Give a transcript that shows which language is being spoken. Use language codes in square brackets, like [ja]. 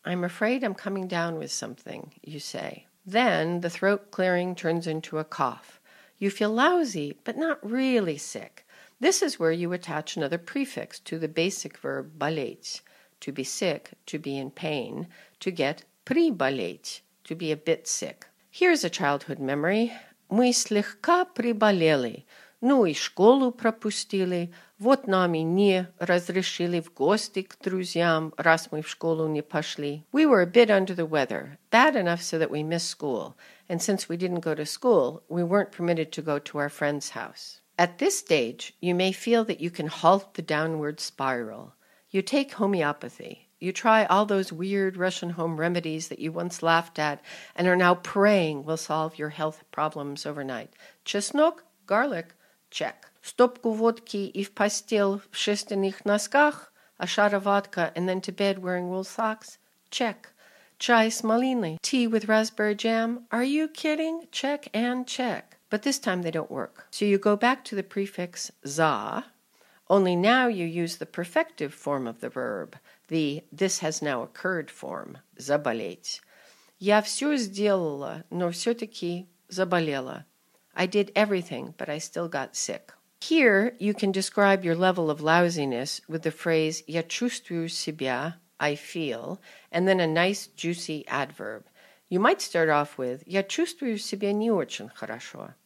[en] I'm afraid I'm coming down with something, you say. Then the throat clearing turns into a cough. You feel lousy, but not really sick. This is where you attach another prefix to the basic verb болеть, to be sick, to be in pain, to get приболеть, to be a bit sick. Here's a childhood memory. [ru] Мы слегка приболели, ну и школу пропустили, вот нами не разрешили в гости к друзьям, раз мы в школу не пошли. [en] We were a bit under the weather, bad enough so that we missed school, and since we didn't go to school, we weren't permitted to go to our friend's house. At this stage, you may feel that you can halt the downward spiral. You take homeopathy. You try all those weird Russian home remedies that you once laughed at and are now praying will solve your health problems overnight. Чеснок, garlic, check. [ru] Стопку водки и в постель в шерстяных носках, [en] a shot of vodka and then to bed wearing wool socks, check. [ru] Чай с малиной, [en] tea with raspberry jam, are you kidding? Check and check. But this time they don't work. So you go back to the prefix za, only now you use the perfective form of the verb, the this has now occurred form, заболеть. [ru] Я все сделала, но все-таки заболела. [en] I did everything, but I still got sick. Here you can describe your level of lousiness with the phrase [ru] я чувствую себя, [en] I feel, and then a nice juicy adverb. You might start off with [ru] я чувствую себя не очень хорошо.